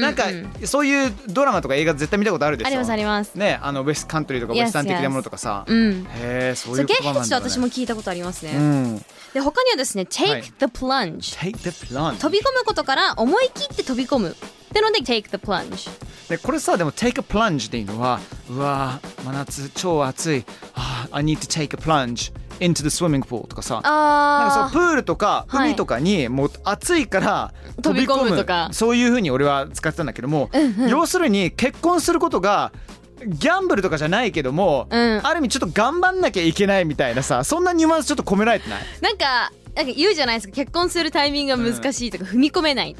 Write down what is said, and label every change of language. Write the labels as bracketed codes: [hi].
[ja] なんかそういうドラマとか映画絶対見たことあるでしょ。ありますあります、ね、あのウェストカントリーとかウェスタン的なものとかさ、うん、へー、そういう言葉なんだろうね。ゲッヘッジと私も聞いたことありますね、うん、で他にはですね [en] take the plunge、 [ja] は [en] い、take the plunge、 [ja] 飛び込むことから思い切って飛び込むってので [en] take the plunge。 [ja] でこれさ、でも [en] take a plunge [ja] っていうのは、うわ真夏超暑い、 [en] I need to take a plunge into the swimming pool [ja] とかさ、あ、なんかそのプールとか海とかにもう暑いから飛び込む、飛び込むとか、そういう風に俺は使ってたんだけども、うんうん、要するに結婚することがギャンブルとかじゃないけども、うん、ある意味ちょっと頑張んなきゃいけないみたいなさ、そんなニュアンスちょっと込められてない？なんか言うじゃないですか、結婚するタイミングが難しいとか、うん、踏み込めないと